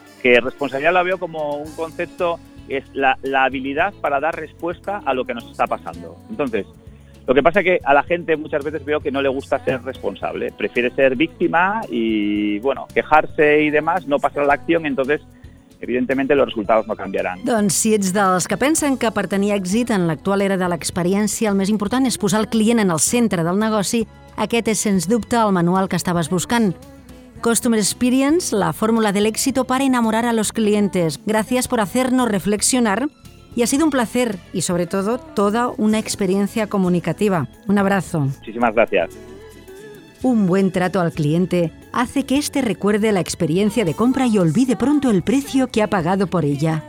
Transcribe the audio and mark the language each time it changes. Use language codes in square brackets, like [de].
[es] Que responsabilidad la veo como un concepto, es la habilidad para dar respuesta a lo que nos está pasando. Entonces, lo que pasa es que a la gente muchas veces veo que no le gusta ser responsable, prefiere ser víctima y, bueno, quejarse y demás, no pasar a la acción, entonces evidentemente los resultados no cambiarán. [ca] Doncs si ets dels que pensen que per tenir èxit en l'actual era de l'experiència el més important és posar el client en el centre del negoci, aquest és sens dubte el manual que estaves buscant. [es] Customer Experience, la fórmula de l'éxito para enamorar a los clientes. Gracias por hacernos reflexionar. Y ha sido un placer y, sobre todo, toda una experiencia comunicativa. Un abrazo. Muchísimas gracias. Un buen trato al cliente hace que este recuerde la experiencia de compra y olvide pronto el precio que ha pagado por ella.